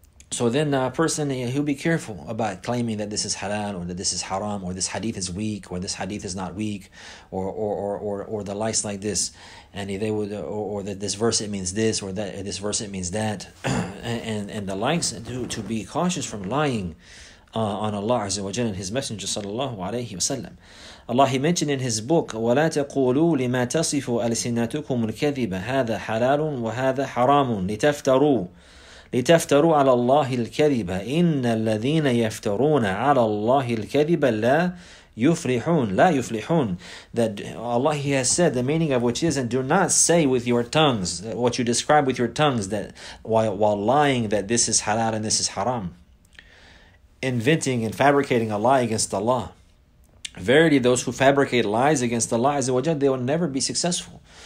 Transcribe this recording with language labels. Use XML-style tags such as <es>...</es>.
<en>So then a person, he'll be careful about claiming that this is halal or that this is haram, or this hadith is weak, or this hadith is not weak, or the likes like this, and they would, or that this verse it means this, or that this verse it means that, and the likes, to be cautious from lying on Allah Azza wa Jalla and His Messenger sallallahu alayhi wa sallam. Allah, He mentioned in His book,</en> <ar>وَلَا تَقُولُوا لِمَا تَصِفُ أَلْسِنَتُكُمُ الْكَذِبَ هَذَا حَلَالٌ وَهَذَا حَرَامٌ لِتَفْتَرُوا عَلَى اللَّهِ الْكَذِبَ إِنَّ الَّذِينَ يَفْتَرُونَ عَلَى اللَّهِ الْكَذِبَ لَا يُفْلِحُونَ.</ar> <en>That Allah, He has said, the meaning of which is, and do not say with your tongues what you describe with your tongues, that while lying, that this is halal and this is haram. Inventing and fabricating a lie against Allah. Verily, those who fabricate lies against Allah, they will never be successful.</en>